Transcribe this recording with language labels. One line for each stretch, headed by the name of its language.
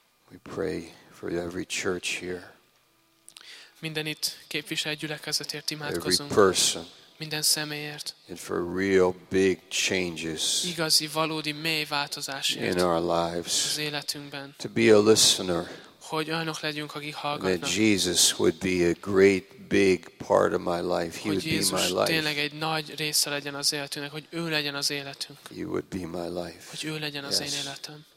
English: We pray for every church here.
Hungarian: Minden itt képviselt gyülekezetért imádkozunk.
English: Every person.
Hungarian: Minden személyért.
English: And for real big changes.
Hungarian: Igazi, valódi, mély változásért.
English: In our lives.
Hungarian: Az életünkben.
English: To be a listener.
Hungarian: Hogy olyanok legyünk, akik hallgatnak.
English: That Jesus would be a great big part of my life. He would be my life.
Hungarian: Hogy tényleg egy nagy része legyen az életünknek, hogy ő legyen az életünk.
English: He would be my life.
Hungarian: Hogy ő legyen az én életem.